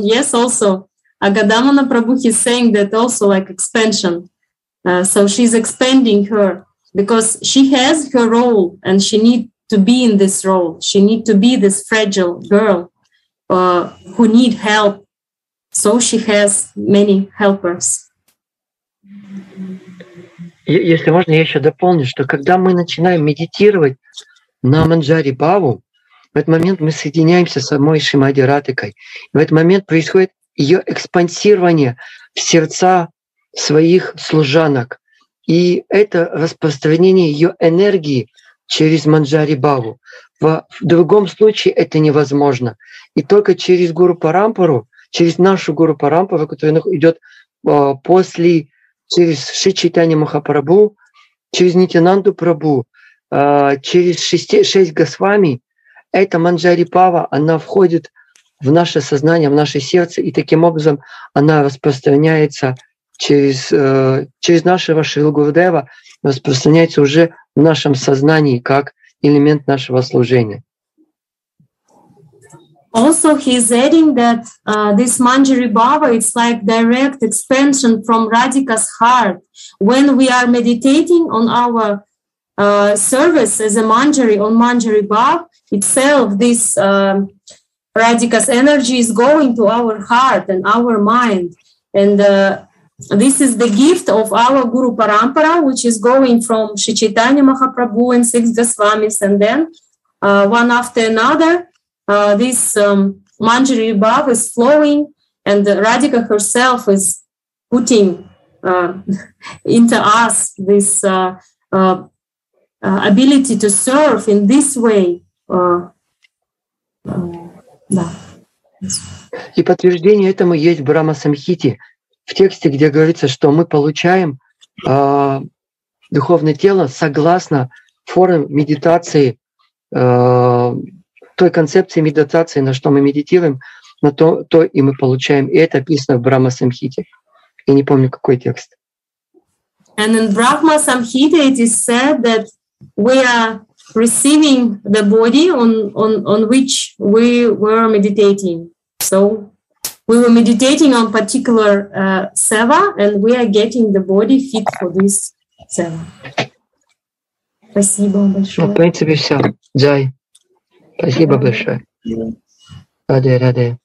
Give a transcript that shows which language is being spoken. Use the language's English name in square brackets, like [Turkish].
[English] Yes, also Agadamana Prabhu, he's saying that also, like expansion. So she's expanding her because she has her role and she need to be in this role. She need to be this fragile girl who need help. So she has many helpers. [Russian] Если можно, я еще дополню, что когда мы начинаем медитировать на Манджари Бхаву, в этот момент мы соединяемся с самой Шримади Радхикой. В этот момент происходит ее экспансирование в сердца своих служанок. И это распространение ее энергии через Манджари Бхаву. В другом случае это невозможно. И только через Гуру Парампару, через нашу Гуру Парампару, которая идет после, через Шри Чайтанья Махапрабху, через Нитянанду Прабху, через шесть Госвами, эта Манджари Бхава, она входит в наше сознание, в наше сердце, и таким образом она распространяется через нашего Шрилу Гурудева, распространяется уже в нашем сознании как элемент нашего служения. [English] Also, he's adding that this Manjari Bhava, it's like direct expansion from Radhika's heart. When we are meditating on our service as a Manjari, on Manjari Bhava itself, this Radhika's energy is going to our heart and our mind. And this is the gift of our Guru Parampara, which is going from Sri Chaitanya Mahaprabhu and Six Goswamis, and then one after another, this Manjari Bhava is flowing, and Radhika herself is putting into us this ability to serve in this way. [Russian] И подтверждение этому есть в Брахма Самхите, в тексте, где говорится, что мы получаем духовное тело согласно форме медитации, той концепции медитации, на что мы медитируем, на то и мы получаем. И это описано в Брахма Самхите. И не помню, какой текст. [English] And in Brahma Samhita it is said that we are receiving the body on which we were meditating. So we were meditating on particular seva, and we are getting the body fit for this seva. [Russian] Спасибо большое. В принципе, все. Джай. Спасибо большое. Раде, раде.